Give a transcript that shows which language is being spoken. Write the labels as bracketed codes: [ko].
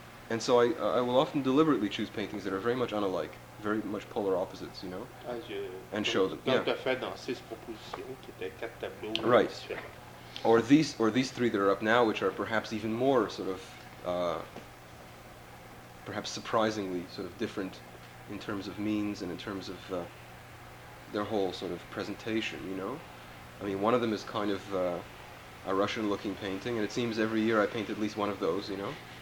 [en] And so I will often deliberately choose paintings that are very much unalike, very much polar opposites, you know? And show them, yeah. [fr] Tu as fait dans six propositions, qui étaient quatre tableaux. [en] Right. Or these three that are up now, which are perhaps even more sort of, perhaps surprisingly sort of different in terms of means and in terms of their whole sort of presentation, you know? I mean, one of them is kind of a Russian-looking painting, and it seems every year I paint at least one of those, you know?